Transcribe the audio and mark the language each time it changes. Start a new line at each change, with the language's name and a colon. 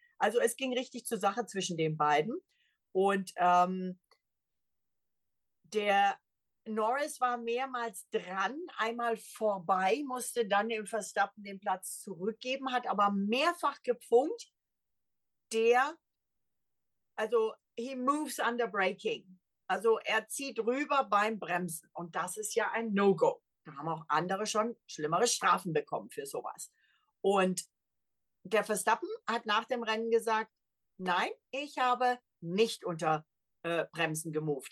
German: Also es ging richtig zur Sache zwischen den beiden. Und der Norris war mehrmals dran, einmal vorbei, musste dann dem Verstappen den Platz zurückgeben, hat aber mehrfach gepunkt.
English: Also he moves under braking.
German: Also er zieht rüber beim Bremsen und das ist ja ein No-Go. Da haben auch andere schon schlimmere Strafen bekommen für sowas. Und der Verstappen hat nach dem Rennen gesagt, nein, ich habe nicht unter Bremsen gemoved.